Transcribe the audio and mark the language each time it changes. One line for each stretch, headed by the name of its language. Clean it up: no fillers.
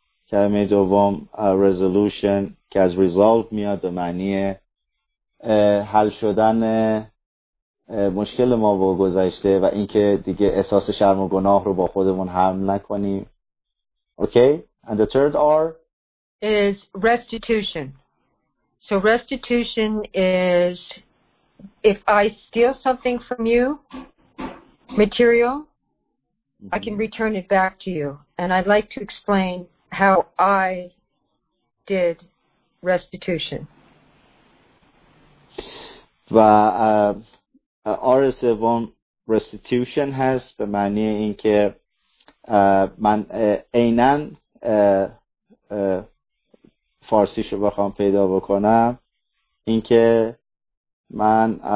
Persian: کلمه دوم resolution که از resolve میاد به معنی حل شدن مشکل ما با گذشته و اینکه دیگه احساس شرم و گناه رو با خودمون حمل نکنیم.
English: Okay, and the third R is restitution. So restitution is if I steal something from you, material, I can return it back to you. And I'd like to explain how I did restitution.
Persian: و آر سوم restitution هست به معنی این که من اینن فارسیش رو بخوام پیدا بکنم، این که من